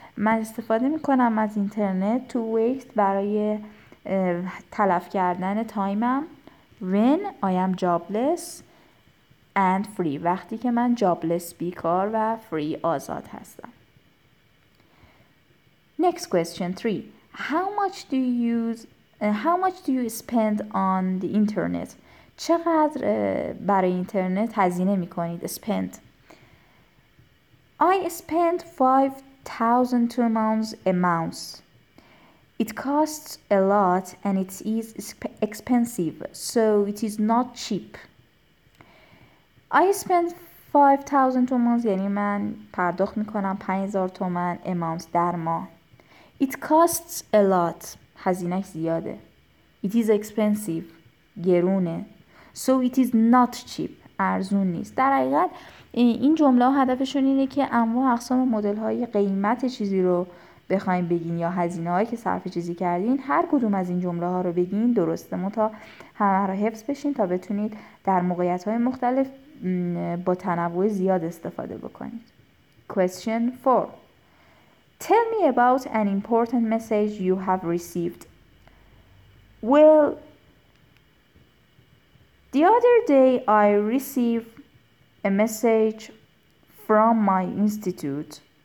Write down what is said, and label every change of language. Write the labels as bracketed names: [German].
[Persian] من استفاده میکنم از اینترنت [English] to waste، [Persian] برای تلف کردن تایمم. [English] When I am jobless and free، [Persian] وقتی که من جابلس، بیکار و فری، آزاد هستم. [English] Next question 3. How much do you spend on the internet؟ [Persian] چقدر برای اینترنت هزینه میکنید؟ spend. [English] I spend 5000 tumans a month. It costs a lot and it is expensive, so it is not cheap. I spend 5000 tumans، [Persian] یعنی من پرداخت میکنم 5000 تومان amount در ماه. [English] It costs a lot، [Persian] هزینه زیاده. [English] It is expensive، [Persian] گرونه. [English] So it is not cheap، [Persian] ارزون نیست. در حقیقت این جمله هدفشون اینه که انواع اقسام مدل های قیمت چیزی رو بخواییم بگین یا هزینه هایی که صرف چیزی کردین، هر کدوم از این جمله ها رو بگین درسته، تا همه رو حفظ بشین تا بتونید در موقعیت های مختلف با تنوع زیاد استفاده بکنید. [English] Question 4. Tell me about an important message you have received. Well, the other day I received a message from my institute.